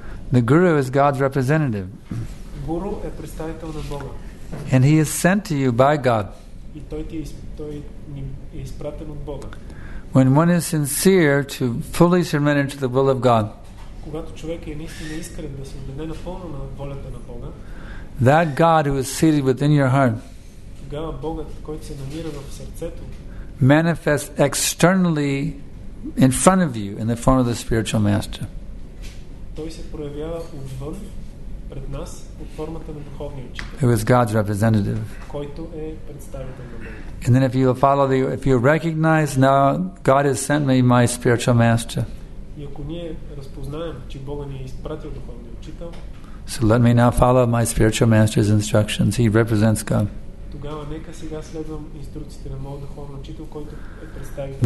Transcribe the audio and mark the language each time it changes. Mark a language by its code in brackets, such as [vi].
[en] The guru is God's representative. [bg] Guru е представител на Бога. [en] And he is sent to you by God. [bg] И той ни е изпратен от Бога. [en] When one is sincere to fully surrender to the will of God, [bg] когато човек е наистина искрен да се отдаде напълно на волята на Бога, [en] that God who is seated within your heart, [bg] тогава Богът, който се намира в сърцето, [en] manifests externally in front of you in the form of the spiritual master. [bg] Той се проявява отвън пред нас под формата на духовния учител. [en] He was God's representative. [bg] Който е представител на Бога. [en] And then if you recognize now God has sent me my spiritual master. [bg] И ако ние разпознаем, че Бога ни е изпратил духовния учител, [en] so let me now follow my spiritual master's instructions. He represents God. [bg] Тогава нека сега следвам инструкциите на моя духовен учител, който е представител.